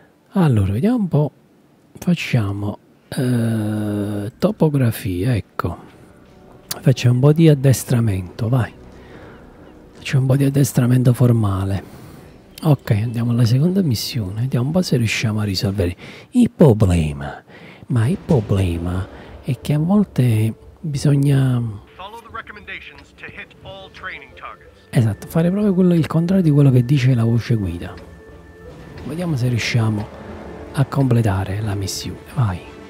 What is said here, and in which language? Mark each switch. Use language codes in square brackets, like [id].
[it] Allora, vediamo un po'. Facciamo topografia, ecco, facciamo un po' di addestramento, vai, c'è un po' di addestramento formale. Ok, andiamo alla seconda missione, vediamo un po' se riusciamo a risolvere il problema. Ma il problema è che a volte bisogna... [en] Follow the recommendations to hit all training targets. [it] Esatto, fare proprio quello, il contrario di quello che dice la voce guida. Vediamo se riusciamo a completare la missione, vai.